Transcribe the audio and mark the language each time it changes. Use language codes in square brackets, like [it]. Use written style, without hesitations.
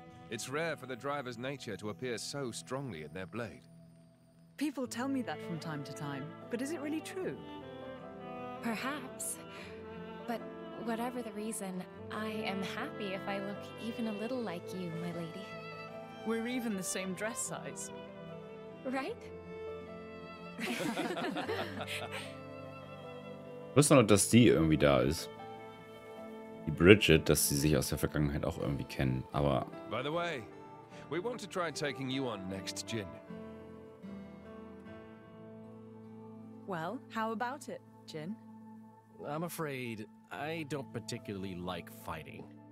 [en] It's rare for the driver's nature to appear so strongly in their blade. People tell me that from time to time, but is it really true? Perhaps. But whatever the reason, I am happy if I look even a little like you, my lady. We're even the same dress size. Right? [de] Ich wusste nur, dass die irgendwie da ist. Die Bridget, dass sie sich aus der Vergangenheit auch irgendwie kennen, aber... [en] By the way, we want to try taking you on next, Jin. Well, how about it, Jin? I'm afraid I don't particularly like fighting.